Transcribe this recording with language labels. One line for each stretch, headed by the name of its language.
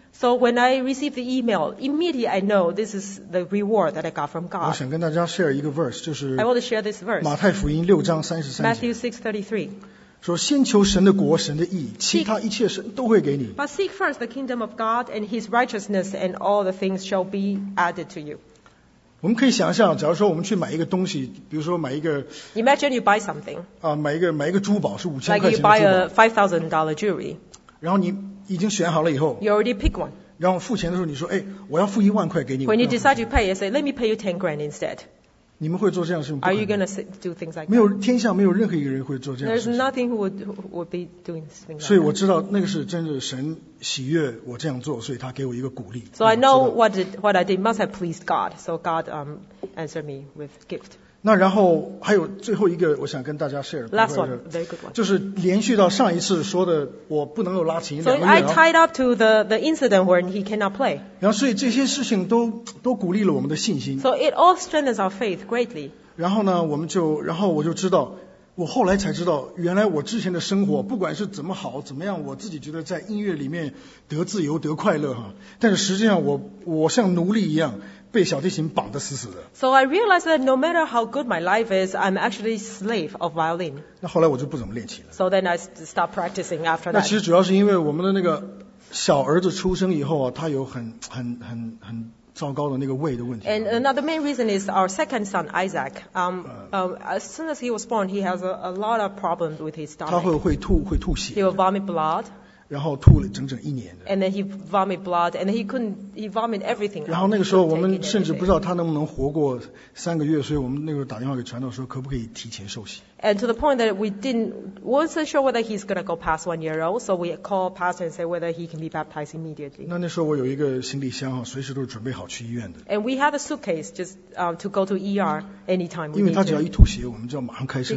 English: So when I received the email immediately I know this is the reward that I got from God
Chinese: 我想跟大家 share 一个 verse 就是
English: I want to share this verse
Chinese: 马太福音6:33
English: Matthew 6:33
Chinese: 说先求神的国神的义其他一切神都会给你
English: But seek first the kingdom of God and his righteousness and all the things shall be added to you
Chinese: 我们可以想象，假如说我们去买一个东西，比如说买一个
English: ，Imagine you buy something，
Chinese: 买一个珠宝是5000块钱的
English: 珠宝 ，Like you buy a $5,000 jewelry，
Chinese: 然后你已经选好了以后
English: ，You already pick one，
Chinese: 然后付钱的时候你说，哎，我要付10000块给你
English: ，When you decide to pay， you say let me pay you $10,000 instead。
Chinese: 你们会做这样的事吗
English: ？Are you going to do things like that？
Chinese: 没有，天下没有任何一个人会做这样的事情。
English: There's nothing who would be doing this thing.
Chinese: 所以我知道那个是真的神喜悦我这样做，所以他给我一个鼓励。
English: So I know what I did must have pleased God. So God answered me with gift.
Chinese: 那然后还有最后一个，我想跟大家 share。
English: Last one, very good one.
Chinese: 就是连续到上一次说的，我不能够拉琴。
English: So I tied up to the incident when he cannot play.
Chinese: 然后所以这些事情都鼓励了我们的信心。
English: So it all strengthens our faith greatly.
Chinese: 然后呢，然后我就知道。我后来才知道，原来我之前的生活，不管是怎么好怎么样，我自己觉得在音乐里面得自由得快乐哈。但是实际上我像奴隶一样被小提琴绑得死死的。
English: So I realized that no matter how good my life is, I'm actually slave of violin.
Chinese: 那后来我就不怎么练琴了。
English: So then I stopped practicing after that.
Chinese: 那其实主要是因为我们的那个小儿子出生以后啊，他有很糟糕的那个胃的问题。
English: And another main reason is our second son Isaac. As soon as he was born, he has a lot of problems with his stomach.
Chinese: 他会吐血。
English: He will vomit blood.
Chinese: 然后吐了整整一年的。
English: And then he vomited blood, and he couldn't, he vomited everything.
Chinese: 然后那个时候我们甚至不知道他能不能活过三个月，所以我们那个时候打电话给传道说，可不可以提前受洗。
English: And to the point that we didn't, wasn't sure whether he's going to go past 1 year old, so we called pastor and said whether he can be baptized immediately.
Chinese: 那时候我有一个行李箱啊，随时都是准备好去医院的。
English: And we had a suitcase just to go to ER anytime.
Chinese: 因为他只要一吐血，我们就要马上开车。